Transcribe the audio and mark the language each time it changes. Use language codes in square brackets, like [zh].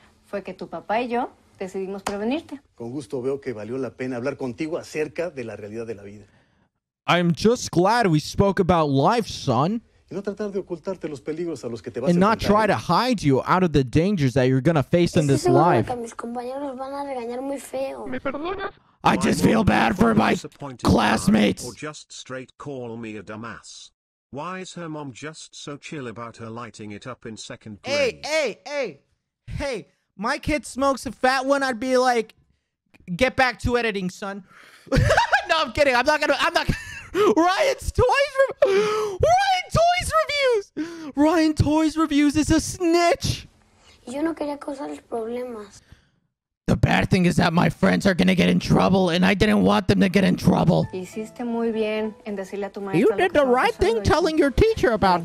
[es] Fue que tu papá y yo decidimos prevenirte. Con gusto veo que valió la pena hablar contigo acerca de la realidad de la vida. [en] I'm just glad we spoke about life, son. And not try to hide you out of the dangers that you're going to face in this life. I just feel bad for my classmates. Or just straight call me a dumbass. Why is her mom just so chill about her lighting it up in second grade? Hey, my kid smokes a fat one, I'd be like, get back to editing, son. No, I'm kidding. Ryan's Toys Ryan Toys Reviews! Ryan Toys Reviews is a snitch! [es] Yo no quería causar problemas. [en] The bad thing is that my friends are gonna get in trouble, and I didn't want them to get in trouble. [es] Hiciste muy bien en decirle a tu maestra [en] you did the right thing telling your teacher about